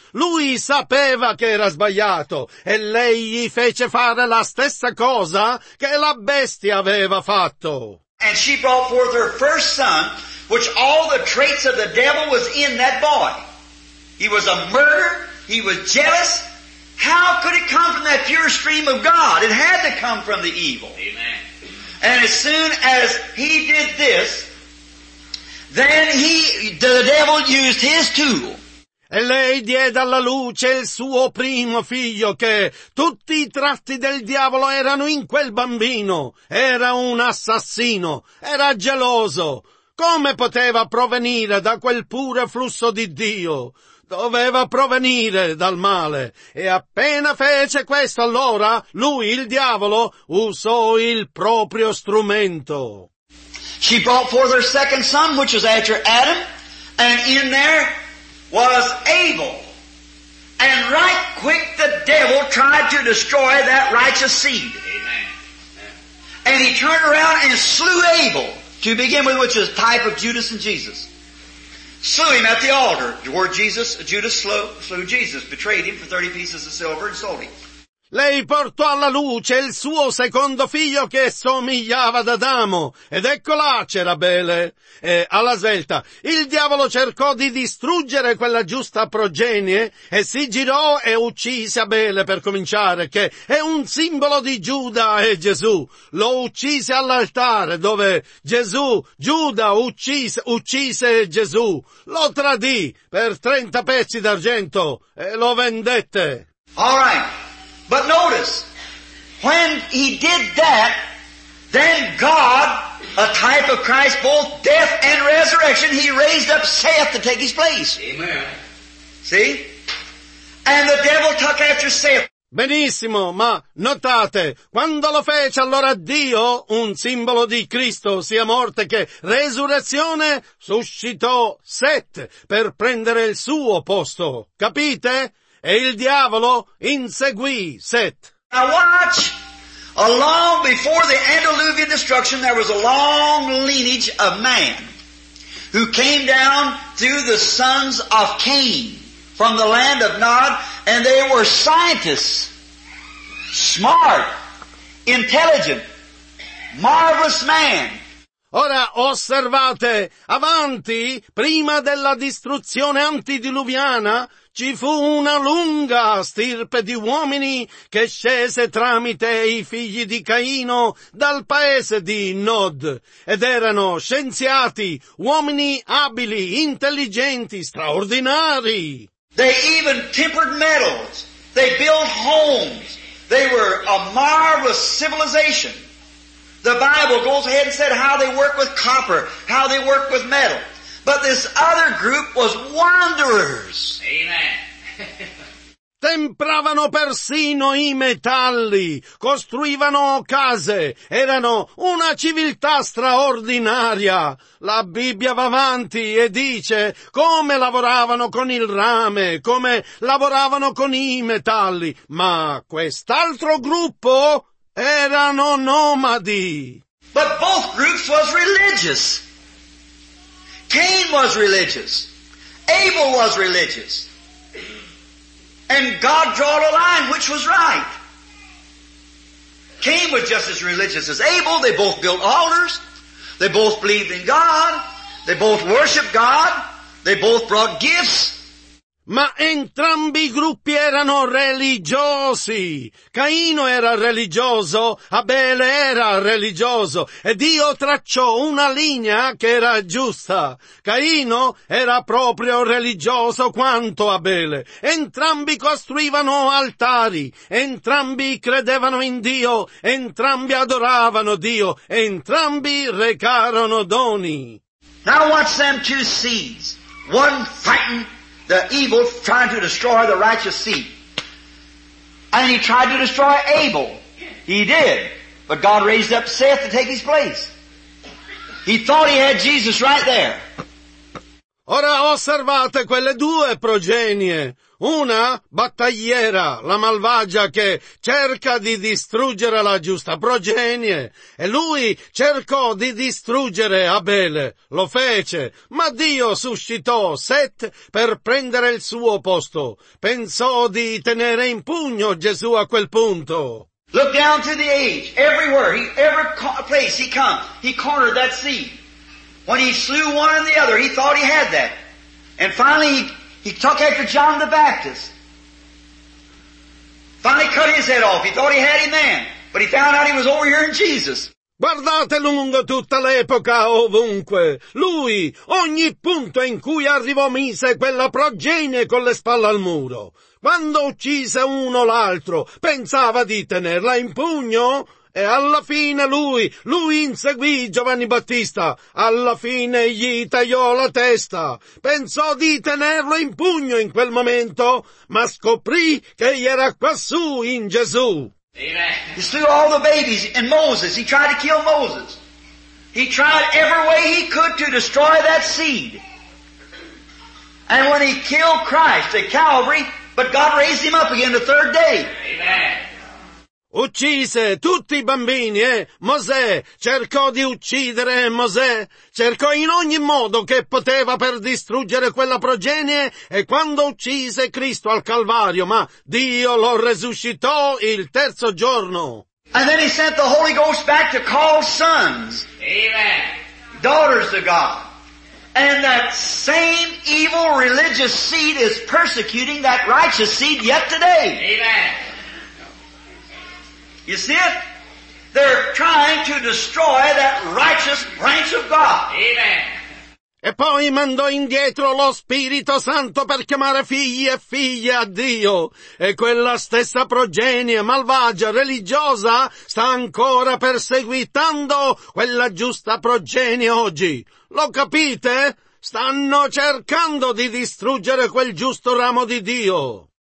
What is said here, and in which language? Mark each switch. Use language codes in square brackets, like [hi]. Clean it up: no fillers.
[it] Lui sapeva che era sbagliato e lei gli fece fare la stessa cosa che la bestia aveva fatto. [en] And she brought forth her first son, which all the traits of the devil was in that boy. He was a murderer. He was jealous. How could it come from that pure stream of God? It had to come from the evil. Amen. And as soon as he did this, then the devil used his tool. [it] E lei diede alla luce il suo primo figlio, che tutti i tratti del diavolo erano in quel bambino. Era un assassino. Era geloso. Come poteva provenire da quel puro flusso di Dio? Doveva provenire dal male. E appena fece questo, allora lui, il diavolo, usò il proprio strumento. [en] She brought forth her second son, which was after Adam, and in there was Abel. And right quick the devil tried to destroy that righteous seed. And he turned around and slew Abel, to begin with, which is a type of Judas and Jesus. Slew him at the altar, where Judas slew Jesus, betrayed him for 30 pieces of silver and sold him. [it] Lei portò alla luce il suo secondo figlio che somigliava ad Adamo. Ed ecco là c'era Abele, alla svelta. Il diavolo cercò di distruggere quella giusta progenie e si girò e uccise Abele, per cominciare, che è un simbolo di Giuda e Gesù. Lo uccise all'altare dove Giuda uccise Gesù. Lo tradì per 30 pezzi d'argento e lo vendette. [en] All right. But notice, when he did that, then God, a type of Christ, both death and resurrection, he raised up Seth to take his place. Amen. See? And the devil took after Seth. [it] Benissimo, ma notate, quando lo fece, allora Dio, un simbolo di Cristo, sia morte che resurrezione, suscitò Seth per prendere il suo posto. Capite? E il diavolo inseguì Set. [en] Now watch, along before the antediluvian destruction, there was a long lineage of man who came down through the sons of Cain from the land of Nod, and they were scientists, smart, intelligent, marvelous man. [it] Ora osservate, avanti, prima della distruzione antidiluviana, ci fu una lunga stirpe di uomini che scese tramite i figli di Caino dal paese di Nod. Ed erano scienziati, uomini abili, intelligenti, straordinari. [en] They even tempered metals. They built homes. They were a marvelous civilization. The Bible goes ahead and said how they work with copper, how they work with metal. But this other group was wanderers. Amen. [it] Tempravano persino i metalli, costruivano case, erano una civiltà straordinaria. La Bibbia va avanti e dice come lavoravano con il rame, come lavoravano con i metalli. Ma quest'altro gruppo erano nomadi. [en] But both groups was religious. Cain was religious. Abel was religious. And God drawed a line which was right. Cain was just as religious as Abel. They both built altars. They both believed in God. They both worshiped God. They both brought gifts. [it] Ma entrambi i gruppi erano religiosi. Caino era religioso, Abele era religioso, e Dio tracciò una linea che era giusta. Caino era proprio religioso quanto Abele. Entrambi costruivano altari, entrambi credevano in Dio, entrambi adoravano Dio, entrambi recarono doni. [en] Now watch them two seeds. One fighting the evil, trying to destroy the righteous seed. And he tried to destroy Abel. He did. But God raised up Seth to take his place. He thought he had Jesus right there. [it] Ora osservate quelle due progenie. Una battagliera, la malvagia che cerca di distruggere la giusta progenie, e lui cercò di distruggere Abele, lo fece, ma Dio suscitò Set per prendere il suo posto. Pensò di tenere in pugno Gesù a quel punto. [en] Look down to the age, everywhere, every place he come, he cornered that seed. When he slew one and the other, he thought he had that. And finally he took after John the Baptist. Finally cut his head off. He thought he had him then. But he found out he was over here in Jesus. [it] Guardate lungo tutta l'epoca, ovunque. Lui, ogni punto in cui arrivò, mise quella progenie con le spalle al muro. Quando uccise uno l'altro, pensava di tenerla in pugno? E alla fine lui inseguì Giovanni Battista. Alla fine gli tagliò la testa. Pensò di tenerlo in pugno in quel momento, ma scoprì che gli era quassù in Gesù. [en] He slew all the babies in Moses. He tried to kill Moses. He tried every way he could to destroy that seed. And when he killed Christ at Calvary, but God raised him up again the third day. [it] Uccise tutti i bambini, Mosè cercò di uccidere Mosè, cercò in ogni modo che poteva per distruggere quella progenie, e quando uccise Cristo al Calvario, ma Dio lo resuscitò il terzo giorno. [en] And then he sent the Holy Ghost back to call sons, amen, daughters of God. And that same evil religious seed is persecuting that righteous seed yet today. Amen. You see it? They're trying to destroy that righteous branch of God. Amen. [it] E poi mandò indietro lo Spirito Santo per chiamare figli e figlie a Dio. E quella stessa progenie malvagia, religiosa, sta ancora perseguitando quella giusta progenie oggi. Lo capite? Stanno cercando di distruggere quel giusto ramo di Dio.